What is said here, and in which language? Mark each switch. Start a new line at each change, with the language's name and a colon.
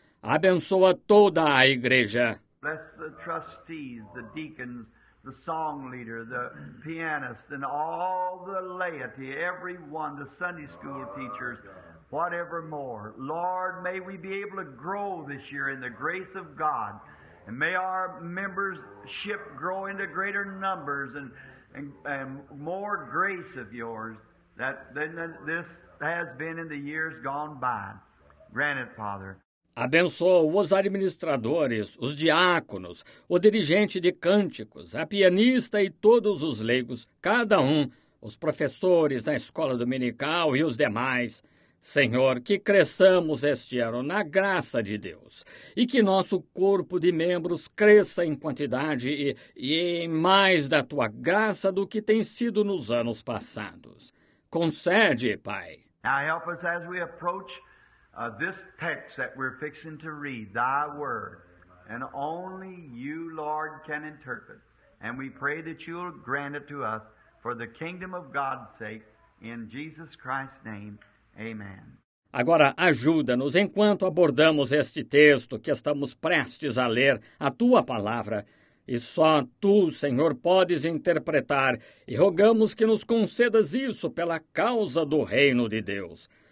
Portuguese: Abençoa toda a igreja.
English: Bless the trustees, the deacons, the song leader, the pianist, and all the laity, everyone, the Sunday school teachers, whatever more. Lord, may we be able to grow this year in the grace of God. And may our membership grow into greater numbers and more grace of Yours than this has been in the years gone by. Grant it, Father.
Portuguese: Abençoa os administradores, os diáconos, o dirigente de cânticos, a pianista e todos os leigos, cada os professores da escola dominical e os demais. Senhor, que cresçamos este ano na graça de Deus e que nosso corpo de membros cresça em quantidade e em mais da Tua graça do que tem sido nos anos passados. Concede, Pai.
English: Now help us as we approach this text that we're fixing to read, Thy Word, and only You, Lord, can interpret. And we pray that You'll grant it to us for the kingdom of God's sake, in Jesus Christ's name, amen.
Portuguese: Agora ajuda-nos enquanto abordamos este texto que estamos prestes a ler, a Tua palavra. E só Tu, Senhor, podes interpretar, e rogamos que nos concedas isso pela causa do reino de Deus.